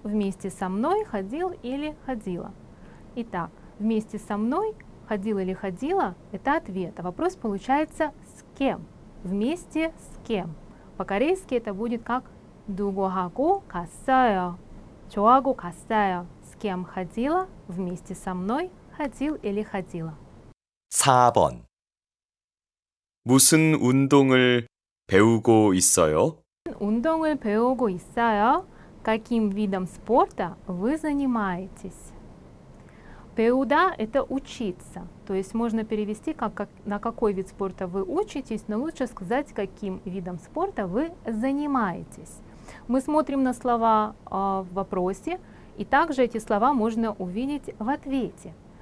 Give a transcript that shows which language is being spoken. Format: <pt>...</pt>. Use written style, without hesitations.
<ru>Вместе со мной ходил или ходила. Итак, вместе со мной ходил или ходила – это ответ. А вопрос получается с кем? Вместе с кем? По-корейски это будет как</ru> <ko>누구하고 갔어요. 저하고 갔어요.</ko> <ru>С кем ходила? Вместе со мной ходил или ходила.</ru> <ko>4번. 무슨 운동을 배우고 있어요? 운동을 배우고 있어요.</ko> <ru>Каким видом спорта вы занимаетесь? 배우다 – это учиться. То есть можно перевести, как на какой вид спорта вы учитесь, но лучше сказать, каким видом спорта вы занимаетесь. Мы смотрим на слова в вопросе, и также эти слова можно увидеть в ответе.</ru>